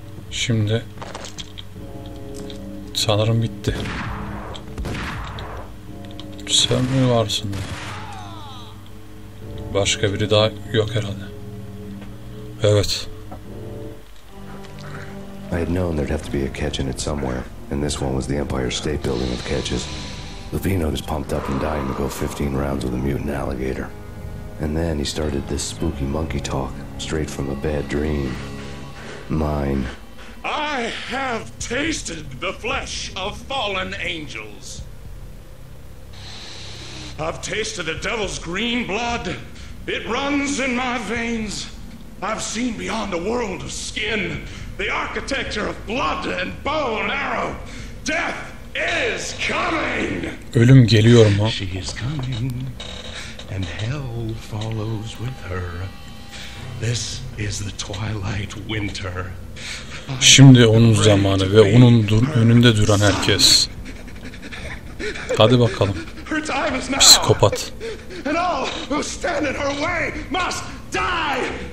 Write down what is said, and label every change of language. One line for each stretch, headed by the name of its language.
Turkish: Şimdi sanırım bitti. sen mi varsın? Başka biri daha yok herhalde. Evet.
English: I had known there'd have to be a catch in it somewhere, and this one was the Empire State Building of catches. Lupino was pumped up and dying to go 15 rounds with a mutant alligator. And then he started this spooky monkey talk, straight from a bad dream. Mine. I have tasted the flesh of fallen angels. I've tasted the devil's green blood. It runs in my veins. I've seen beyond a world of skin, the architecture of blood and bow and arrow. Death is coming.
Turkish: Ölüm geliyor mu?
English: She is coming, and hell follows with her. This is the twilight winter.
Turkish: Şimdi onun zamanı ve onun önünde duran herkes. Hadi bakalım. Psikopat.
English: And all who stand in her way must die.